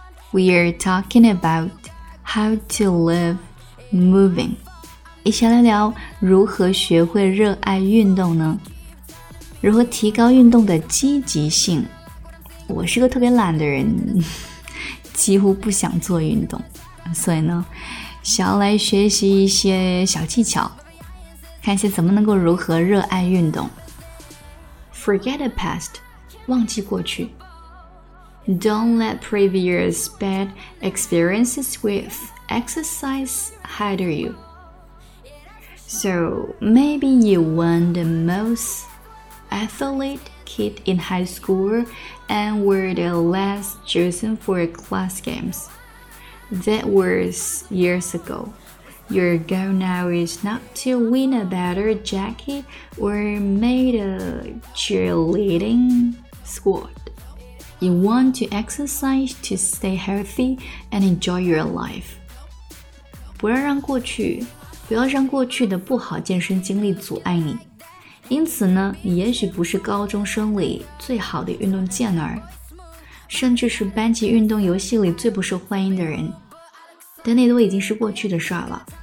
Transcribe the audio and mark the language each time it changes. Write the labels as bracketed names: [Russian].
[English] We are talking about how to live moving， [Chinese] 一起来聊如何学会热爱运动呢，如何提高运动的积极性。我是个特别懒的人，几乎不想做运动，所以呢想要来学习一些小技巧，看一下怎么能够如何热爱运动。 [English] Forget the past， [Chinese] 忘记过去。 [English] Don't let previous bad experiences with exercise hinder you。 So maybe you weren't the most athletic kid in high school and were the last chosen for class games. That was years ago. Your goal now is not to win a better jacket or make a cheerleading squad. You want to exercise to stay healthy and enjoy your life. [Chinese] 不要让过去，不要让过去的不好健身经历阻碍你。因此呢，你也许不是高中生里最好的运动健儿，甚至是班级运动游戏里最不受欢迎的人，但那都已经是过去的事儿了。